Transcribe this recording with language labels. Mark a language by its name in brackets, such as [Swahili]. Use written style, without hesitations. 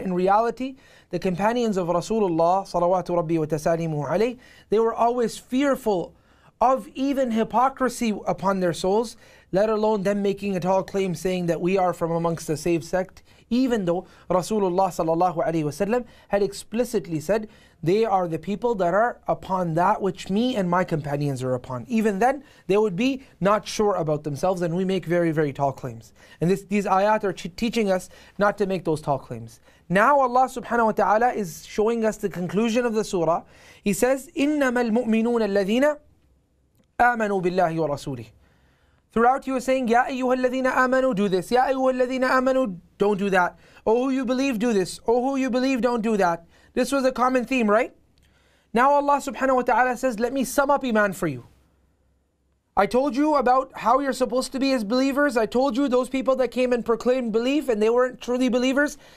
[English] In reality, the companions of Rasulullah salawatu rabbi wa tasalimu alayhi, they were always fearful of even hypocrisy upon their souls, let alone them making a tall claim saying that we are from amongst the saved sect, even though Rasulullah sallallahu alayhi wasallam had explicitly said, they are the people that are upon that which me and my companions are upon. Even then, they would be not sure about themselves, and we make very, very tall claims. And these ayat are teaching us not to make those tall claims. Now Allah subhanahu wa ta'ala is showing us the conclusion of the surah. He says, [Arabic] إِنَّمَا الْمُؤْمِنُونَ الَّذِينَ آمَنُوا بِاللَّهِ وَرَسُولِهِ. [English] Throughout you are saying, [Arabic] يَا أَيُّهَا الَّذِينَ آمَنُوا [English] do this. [Arabic] يَا أَيُّهَا الَّذِينَ آمَنُوا [English] don't do that. Oh, who you believe, do this. Oh, who you believe, don't do that. This was a common theme, right? Now Allah subhanahu wa ta'ala says, let me sum up iman for you. I told you about how you're supposed to be as believers. I told you those people that came and proclaimed belief and they weren't truly believers.